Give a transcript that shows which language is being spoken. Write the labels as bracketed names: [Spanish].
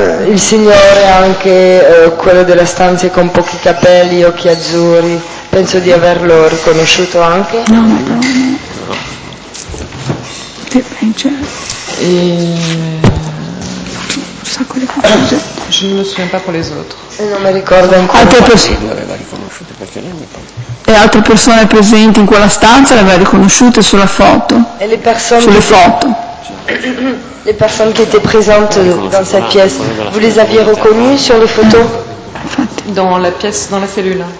[Italian] Il signore anche quello della stanza con pochi capelli, occhi azzurri, penso di averlo riconosciuto anche. [French] Je ne me souviens pas pour les autres. [Italian] Non mi ricordo ancora. E altre persone presenti in quella stanza le aveva riconosciute sulla foto. E le persone sulle foto. Le persone che [French] étaient présentes dans cette pièce, vous les aviez reconnues sur les photos? Dans la pièce, dans la cellule.